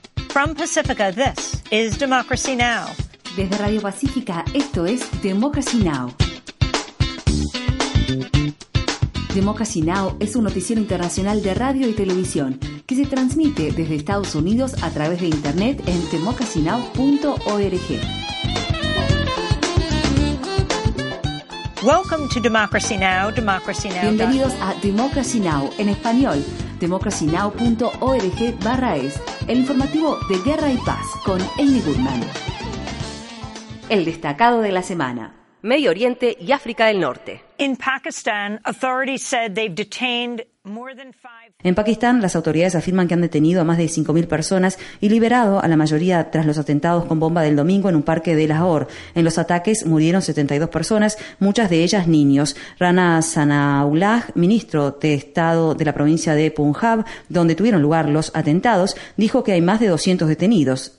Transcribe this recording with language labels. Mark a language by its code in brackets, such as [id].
[en] From Pacifica, this is Democracy Now! [es] Desde Radio Pacífica, esto es Democracy Now! Democracy Now! Es un noticiero internacional de radio y televisión que se transmite desde Estados Unidos a través de Internet en democracynow.org. [en] Welcome to Democracy Now! Democracy Now! [es] Bienvenidos a Democracy Now! En español. democracynow.org/es, el informativo de Guerra y Paz con Amy Goodman. El destacado de la semana. Medio Oriente y África del Norte. [en] In Pakistan, authorities said they've detained more than five... [es] En Pakistán, las autoridades afirman que han detenido a más de 5.000 personas y liberado a la mayoría tras los atentados con bomba del domingo en un parque de Lahore. En los ataques murieron 72 personas, muchas de ellas niños. Rana Sanaullah, ministro de Estado de la provincia de Punjab, donde tuvieron lugar los atentados, dijo que hay más de 200 detenidos.